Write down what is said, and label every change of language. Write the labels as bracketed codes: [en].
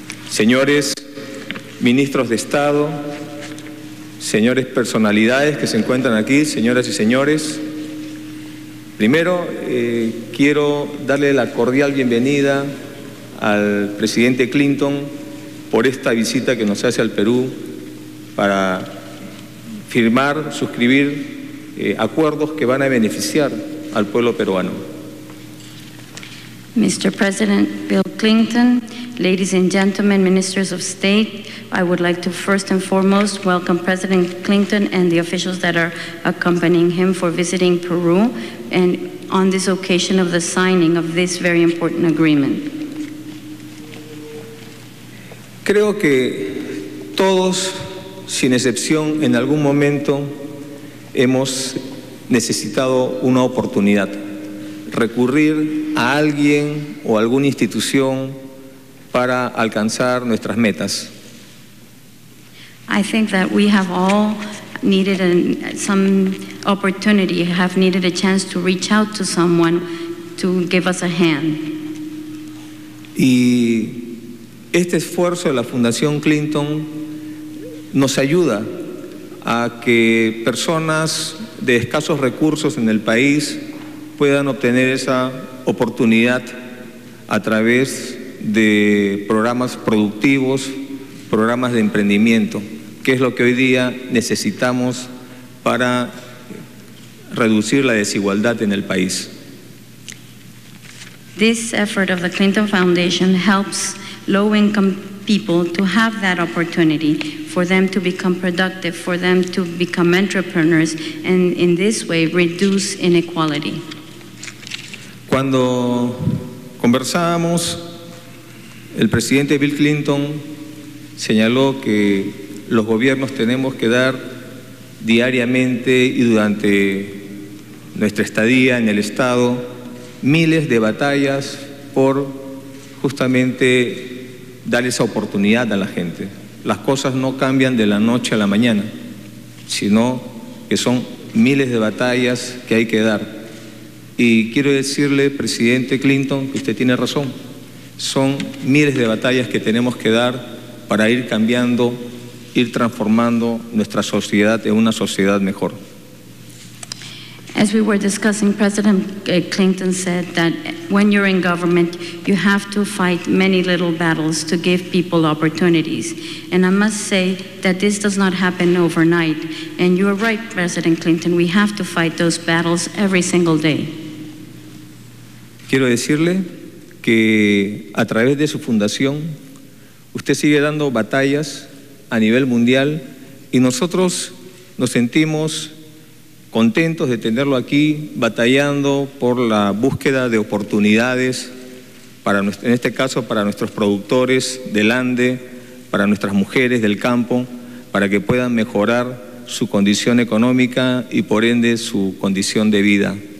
[es] Señores ministros de Estado, señores personalidades que se encuentran aquí, señoras y señores, primero quiero darle la cordial bienvenida al presidente Clinton por esta visita que nos hace al Perú para firmar, suscribir acuerdos que van a beneficiar al pueblo peruano. [en] Mr. President Bill Clinton, ladies and gentlemen, ministers of state, I would like to first and foremost welcome President Clinton and the officials that are accompanying him for visiting Peru and on this occasion of the signing of this very important agreement. [es] Creo que todos, sin excepción, en algún momento hemos necesitado una oportunidad. Recurrir a alguien o alguna institución para alcanzar nuestras metas. [en] I think that we have all needed some opportunity, have needed a chance to reach out to someone to give us a hand. [es] Y este esfuerzo de la Fundación Clinton nos ayuda a que personas de escasos recursos en el país puedan obtener esa oportunidad a través de programas productivos, programas de emprendimiento, que es lo que hoy día necesitamos para reducir la desigualdad en el país. [en] This effort of the Clinton Foundation helps low-income people to have that opportunity, for them to become productive, for them to become entrepreneurs, and in this way reduce inequality. [es] Cuando conversábamos, el presidente Bill Clinton señaló que los gobiernos tenemos que dar diariamente y durante nuestra estadía en el Estado miles de batallas por justamente dar esa oportunidad a la gente. Las cosas no cambian de la noche a la mañana, sino que son miles de batallas que hay que dar. Y quiero decirle, presidente Clinton, que usted tiene razón. Son miles de batallas que tenemos que dar para ir cambiando, ir transformando nuestra sociedad en una sociedad mejor. [en] As we were discussing, President Clinton said that when you're in government, you have to fight many little battles to give people opportunities. And I must say that this does not happen overnight. And you're right, President Clinton, we have to fight those battles every single day. [es] Quiero decirle que a través de su fundación, usted sigue dando batallas a nivel mundial y nosotros nos sentimos contentos de tenerlo aquí batallando por la búsqueda de oportunidades para, en este caso, para nuestros productores del Ande, para nuestras mujeres del campo, para que puedan mejorar su condición económica y por ende su condición de vida.